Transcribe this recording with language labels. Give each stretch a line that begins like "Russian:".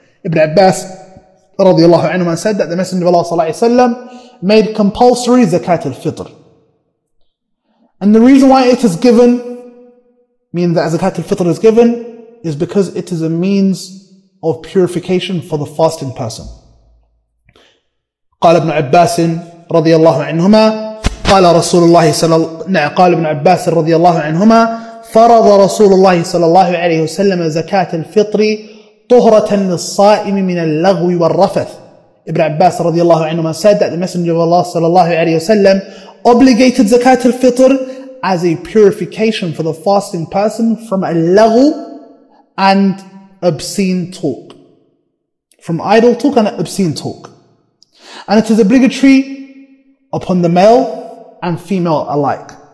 English: Ibn Abbas radiallahu anhu said that the Messenger of Allah sallallahu alayhi wa sallam made compulsory Zakat al-Fitr. And the reason why it is given, meaning that Zakat al-Fitr is given, is because it is a means of purification for the fasting person.
Arabic: قال ابن عباس رضي الله عنهما قال رسول الله صلى الله عليه وسلم قال ابن عباس رضي الله عنهما فرض رسول الله صلى الله عليه وسلم زكاة الفطر طهرة للصائم من اللغو والرفث.
English: Ibn Abbas radiallahu anhu said that the Messenger of Allah sallallahu alayhi wa sallam obligated Zakat al-Fitr as a purification for the fasting person from al-laghu and obscene talk. From idle talk and obscene talk. And it is obligatory upon the male and female alike.